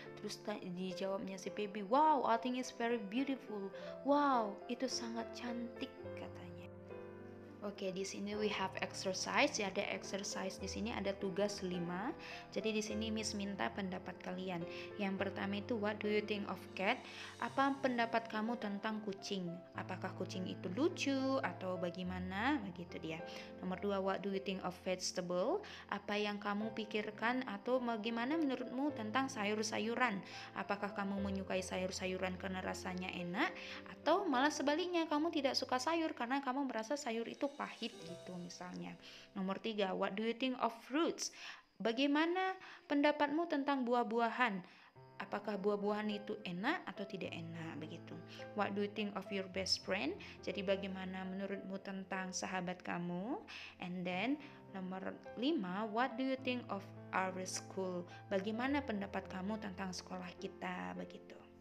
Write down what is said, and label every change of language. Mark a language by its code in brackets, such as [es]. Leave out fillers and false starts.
[id] Terus dijawabnya si Feby, [en] wow, I think it's very beautiful. [id] Wow, itu sangat cantik, katanya. Okay, di sini [en] we have exercise. [id] Ya, ada exercise di sini, ada tugas 5. Jadi di sini Miss minta pendapat kalian. Yang pertama itu [en] what do you think of cat? [id] Apa pendapat kamu tentang kucing? Apakah kucing itu lucu atau bagaimana? Begitu dia. Nomor 2, [en] what do you think of vegetable? [id] Apa yang kamu pikirkan atau bagaimana menurutmu tentang sayur-sayuran? Apakah kamu menyukai sayur-sayuran karena rasanya enak atau malah sebaliknya kamu tidak suka sayur karena kamu merasa sayur itu pahit gitu misalnya. Nomor 3, [en] what do you think of fruits? [id] Bagaimana pendapatmu tentang buah-buahan? Apakah buah-buahan itu enak atau tidak enak begitu. [en] What do you think of your best friend? [id] Jadi bagaimana menurutmu tentang sahabat kamu? [en] And then nomor 5, what do you think of our school? [id] Bagaimana pendapat kamu tentang sekolah kita begitu.